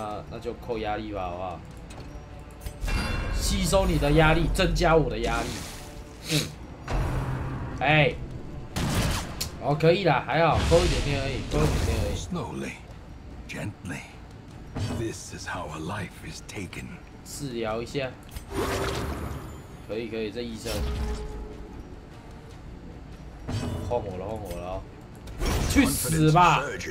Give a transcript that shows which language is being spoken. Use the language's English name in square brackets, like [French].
[Chinese] 那就扣压力吧，好不好？吸收你的压力，增加我的压力。哎、欸，哦，可以啦，还好，扣一点点而已，扣一点点而已。 [English] Slowly, gently, this is how a life is taken. [Chinese] 治疗一下，可以，这医生，换我了，去死吧！